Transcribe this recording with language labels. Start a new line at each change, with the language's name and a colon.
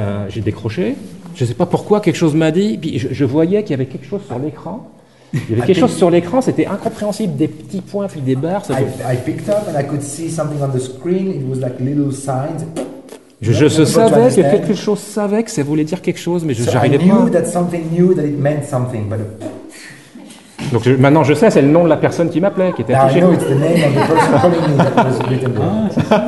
French: j'ai décroché, je ne sais pas pourquoi, quelque chose m'a dit, puis je voyais qu'il y avait quelque chose sur l'écran. Il y avait quelque chose sur l'écran, c'était incompréhensible, des petits points, puis des barres.
English: I picked up and I could see something on the screen, it was like little signs.
French: Je savais que quelque chose savait que ça voulait dire quelque chose, mais j'arrivais pas.
English: I knew that something knew that it meant something, but...
French: Donc maintenant je sais, c'est le nom de la personne qui m'appelait, qui était affiché.
English: Now I know it's the name of the person calling me that was written there.